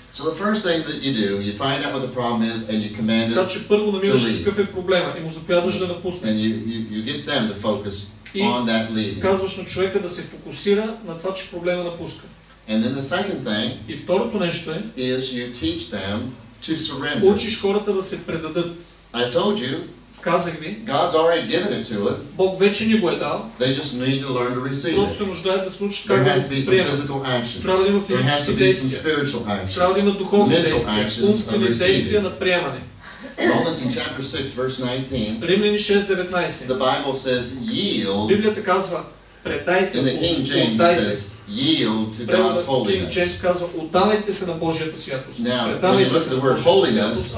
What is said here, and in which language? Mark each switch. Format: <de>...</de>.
<en>So the first thing that you do, you find out what the problem is and you command them to leave. And you get them to focus on that leaving.</en> <bg>И казваш на човека да се фокусира на това, че проблема напуска.</bg> <en>And then the second thing is you teach them to surrender.</en> <bg>Учиш хората да се предадат.</bg> <en>I told you,</en> <bg>казах ми,</bg> <en>God's already given it to it.</en> <bg>Бог вече ни го е дал.</bg> <en>They just need to learn to receive it.</en> <bg>Се нуждаят да случат как да приемат. Трябва да има физически действия. Трябва да има духовни действия. Умствени действия на приемане.</bg> <en>Romans in chapter 6, verse 19.</en> <bg>Римляни 6:19.</bg> <en>The Bible says, yield.</en> <bg>Библията казва, предайте.</bg> <en>In the King James says, yield to God's holiness.</en> <bg>King James казва, отдавайте се на Божията святост.</bg> <en>Now, when you look at the word holiness,</en>